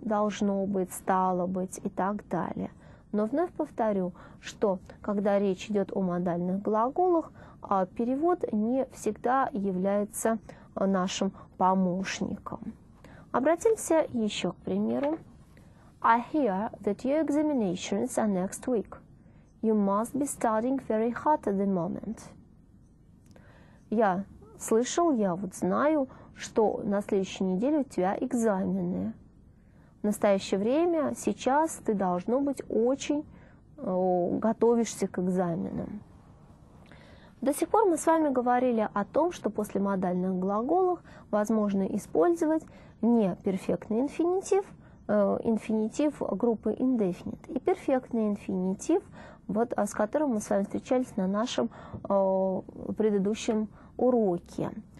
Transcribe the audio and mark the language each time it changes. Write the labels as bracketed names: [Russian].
[Russian] Должно быть, стало быть и так далее. Но вновь повторю, что когда речь идет о модальных глаголах, перевод не всегда является нашим помощником. Обратимся еще к примеру. [English] I hear that your examinations are next week. You must be studying very hard at the moment. [Russian] Я слышал, я вот знаю, что на следующей неделе у тебя экзамены. В настоящее время, сейчас ты должно быть очень готовишься к экзаменам. До сих пор мы с вами говорили о том, что после модальных глаголов возможно использовать не перфектный инфинитив, инфинитив группы indefinite и перфектный инфинитив, вот, с которым мы с вами встречались на нашем предыдущем уроке.